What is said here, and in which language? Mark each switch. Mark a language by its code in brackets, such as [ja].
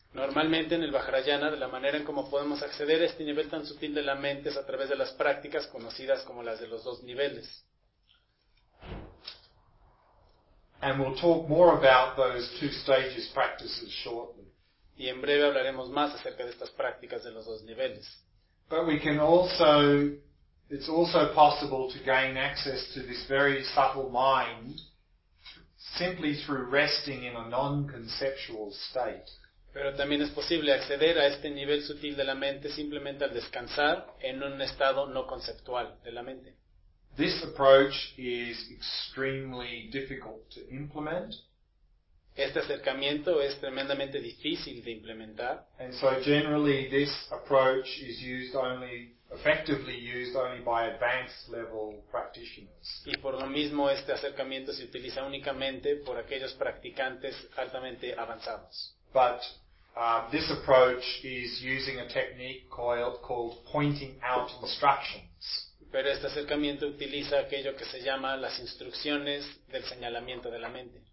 [es] Normalmente en el Vajrayana, de la manera en como podemos acceder a este nivel tan sutil de la mente es a través de las prácticas conocidas como las de los dos niveles. [en] And we'll talk more about those two stages practices shortly. [es] Y en breve hablaremos más acerca de estas prácticas de los dos niveles. [en] But we can also... It's also possible to gain access to this very subtle mind simply through resting in a non-conceptual state. [es] Pero también es posible acceder a este nivel sutil de la mente simplemente al descansar en un estado no conceptual de la mente. [en] This approach is extremely difficult to implement. [es] Este acercamiento es tremendamente difícil de implementar. [en] And so generally this approach is used only effectively used only by advanced level practitioners. [es] Y por lo mismo este acercamiento se utiliza únicamente por aquellos practicantes altamente avanzados. [en] But this approach is using a technique called pointing out instructions. [es] Pero este acercamiento utiliza aquello que se llama las instrucciones del señalamiento de la mente.